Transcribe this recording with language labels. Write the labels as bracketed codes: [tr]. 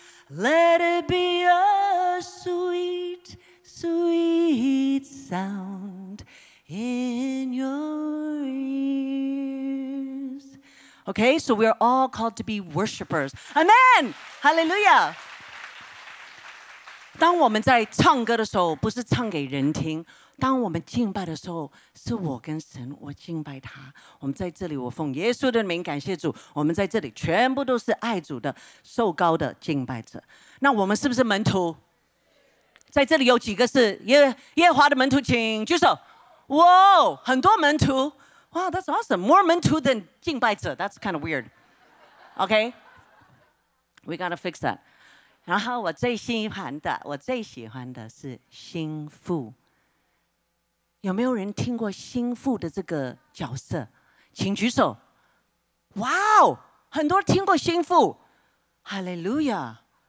[en] Let it be a sweet, sweet sound in your ears. Okay, so we're all called to be worshipers. Amen! Hallelujah! [zh] 当我们在唱歌的时候，不是唱给人听，当我们敬拜的时候，是我跟神，我敬拜他。我们在这里，我奉耶稣的名感谢主，我们在这里全部都是爱主的受膏的敬拜者。那我们是不是门徒？在这里有几个是耶和华的门徒，请举手。哇，很多门徒。哇， [en] that's awesome. More [zh] 门徒 [en] than [zh] 敬拜者， [en] that's kind of weird. Okay, we gotta fix that. [zh] 然后我最喜欢的是心腹。有没有人听过心腹的这个角色？请举手。哇哦，很多人听过心腹。哈利路亚。